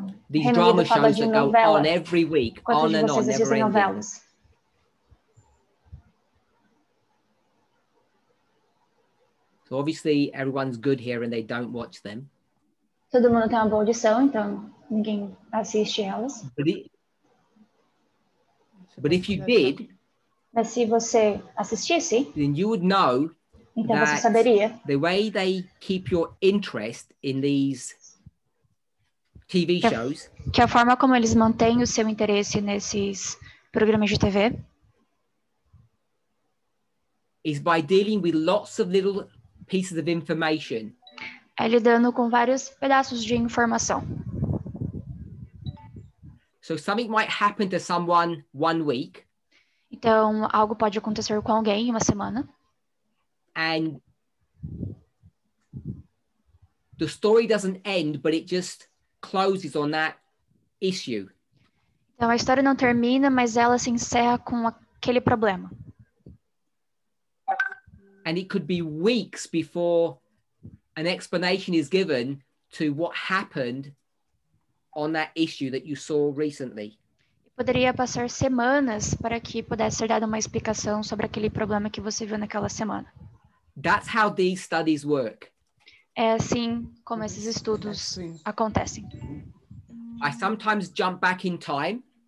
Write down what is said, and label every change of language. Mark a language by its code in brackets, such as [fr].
[en] these drama shows that go on every week, on and on, never ending. So obviously everyone's good here and they don't watch them. [pt] Todo mundo tem uma boa audição, então ninguém assiste elas. [en] But if you did, [pt] mas se você assistisse, [en] then you would know [pt] então [en] that [pt] você saberia, [en] the way they keep your interest in these TV shows, [pt] que a forma como eles mantêm o seu interesse nesses programas de TV, [en] is by dealing with lots of little pieces of information. [pt] É lidando com vários pedaços de informação. [en] So something might happen to someone one week. [pt] Então algo pode acontecer com alguém uma semana. [en] And the story doesn't end, but it just closes on that issue. [pt] Então a história não termina, mas ela se encerra com aquele problema. [en] And it could be weeks before an explanation is given to what happened on that issue that you saw recently. [pt] Poderia passar semanas para que pudesse ser dada uma explicação sobre aquele problema que você viu naquela semana. [en] That's how these studies work. [pt] É assim como esses estudos acontecem. [en] I sometimes jump back in time.